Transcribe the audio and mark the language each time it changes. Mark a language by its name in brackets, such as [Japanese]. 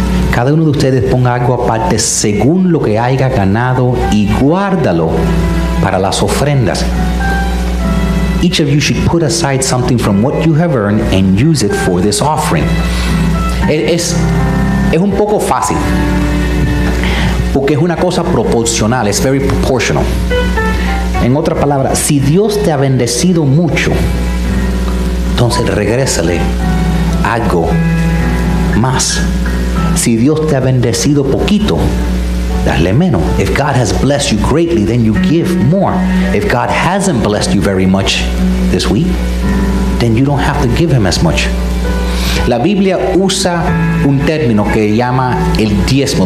[Spanish] Cada uno de ustedes ponga algo aparte según lo que haya ganado y guárdalo para las ofrendas. [English] Each of you should put aside something from what you have earned and use it for this offering. [Spanish] Es un poco fácil porque es una cosa proporcional. [English] It's very proportional. [Spanish] En otra palabra, si Dios te ha bendecido mucho, entonces regrésale algo más. Si Dios te ha bendecido poquito, dale menos. [English] If God has blessed you greatly, then you give more. If God hasn't blessed you very much this week, then you don't have to give him as much. [Spanish] La Biblia usa un término que llama el diezmo.